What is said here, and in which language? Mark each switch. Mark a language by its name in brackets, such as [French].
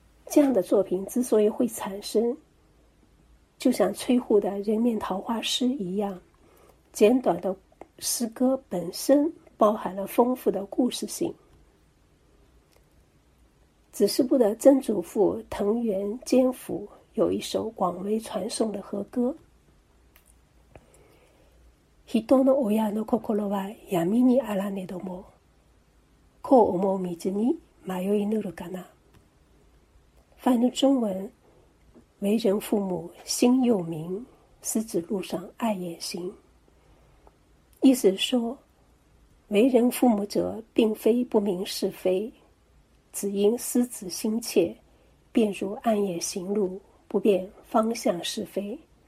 [Chinese] 这样的作品之所以会产生，就像崔护的人面桃花诗一样，简短的诗歌本身包含了丰富的故事性。子时部的曾祖父藤原兼辅有一首广为传颂的和歌。 [Japanese] 人の親の心は闇にあらねども、こう思う道に迷いぬるかな。 [Chinese] 翻译中文：为人父母心又明，思子路上爱也行。意思说，为人父母者，并非不明是非，只因思子心切，便如暗夜行路，不辨方向是非。